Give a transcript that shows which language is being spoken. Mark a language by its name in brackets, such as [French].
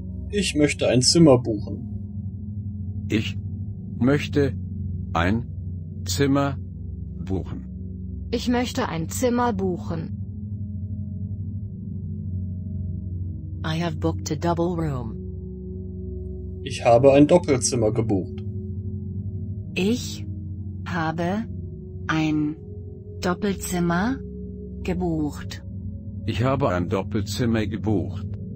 [German] Ich möchte ein Zimmer buchen. Ich möchte ein Zimmer buchen. Ich möchte ein Zimmer buchen. [English] I have booked a double room. [German] Ich habe ein Doppelzimmer gebucht. Ich habe ein Doppelzimmer gebucht. Ich habe ein Doppelzimmer gebucht.